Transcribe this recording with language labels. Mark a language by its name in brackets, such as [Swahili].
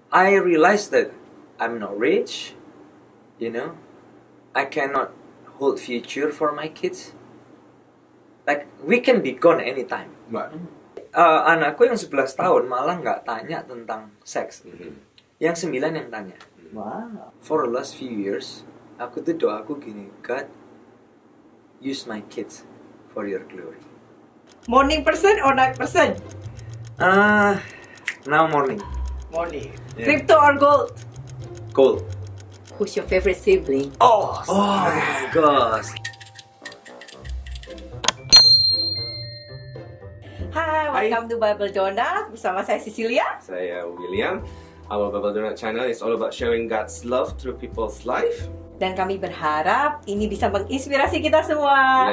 [English] I realized that I'm not rich, you know, I cannot hold future for my kids. Like, we can be gone anytime. [Indonesian] Anakku yang 11 tahun malah gak tanya tentang seks. Yang 9 yang tanya. [English] For the last few years, [Indonesian] aku tuh doaku gini, [English] God, use my kids for your glory. Morning person or night person? Now morning. Morning. Crypto or gold? Gold. Who's your favorite sibling? Oh my gosh. Hi, welcome to Bible Donut [Indonesian] bersama saya [English] Cecilia. [Indonesian] Saya William. [English] Our Bible Donut channel is all about sharing God's love through people's life. [Indonesian] Dan kami berharap ini bisa menginspirasi kita semua.